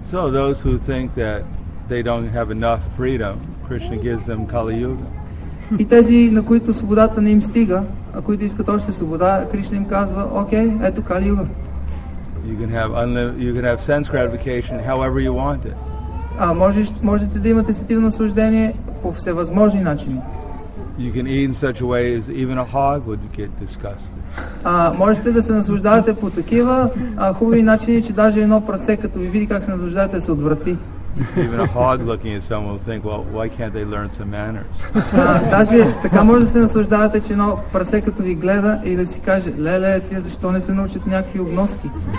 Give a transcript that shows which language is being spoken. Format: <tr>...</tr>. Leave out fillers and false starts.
<en>So those who think that they don't have enough freedom, Krishna gives them Kali Yuga.</en> <bg>И тези, на които свободата не им стига, а които искат още свобода, Кришна им казва: "Окей, ето Кали Юга."</bg> <en>You can have you can have sense gratification however you want it.</en> <bg>А можете да имате сетивно наслаждение по всевъзможни начини.</bg> <en>You can eat in such a way as even a hog would get disgusted.</en> <bg>А можете да се наслаждавате по такива хубави начини, че даже едно прасе, като ви види как се наслаждавате, се отврати.</bg> <en>Even a hog looking at someone will think, well, why can't they learn some manners?</en> <bg>Даже така може да се наслаждавате, че едно прасе като ви гледа и да си каже: "Леле, ти защо не се научат някакви обноски?"</bg>